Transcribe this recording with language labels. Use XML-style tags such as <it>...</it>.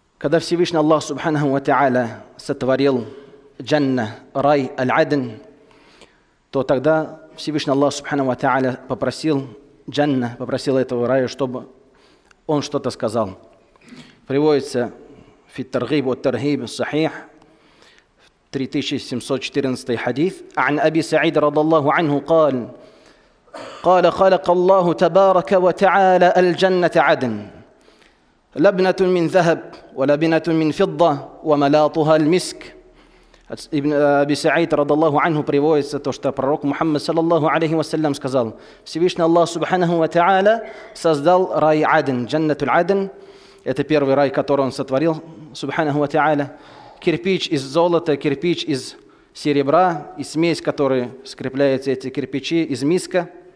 <ru>Когда Всевышний Аллах Субханаху ва Тааля сотворил джанна, рай, аль-адн, то тогда Всевышний Аллах Субханаху ва Тааля попросил джанна, попросил этого рая, чтобы он что-то сказал. Приводится фит таргиб ва таргиб сахих 3714 хадис</ru> <ar>عن ابي سعيد رضي الله عنه قال قال خلق الله تبارك وتعالى الجنة عدن لبنة من ذهب ولبنة من فضة وملاطها المسك.</ar> <ru>Ибн Аби Саид, рада Аллаху анху, приводится то, что пророк Мухаммад, саллаллаху алейхи вассалям, сказал: Всевышний Аллах, субханаху ва та'аля, создал рай Адн, джаннату Адн. Это первый рай, который он сотворил, субханаху ва та'аля. Кирпич из золота, кирпич из серебра и смесь, которой скрепляются эти кирпичи, из миска.</ru>